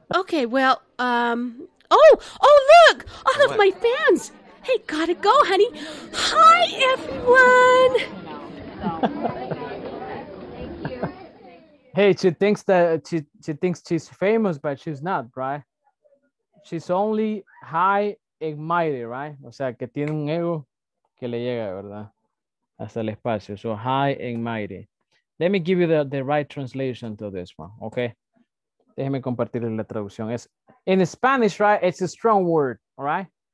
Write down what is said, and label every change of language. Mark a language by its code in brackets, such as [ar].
[en] Okay, well, look! All what? Of my fans! Hey, gotta go, honey! Hi, everyone! Hey, she thinks she's famous, but she's not, right? She's only high it mighty, right? [es] O sea, que tiene un ego que le llega, ¿verdad? Hasta el espacio. [en] So, high and mighty. Let me give you the right translation to this one, okay? [es] Déjeme compartirle la traducción. [en] Es, in Spanish, right, it's a strong word, all right?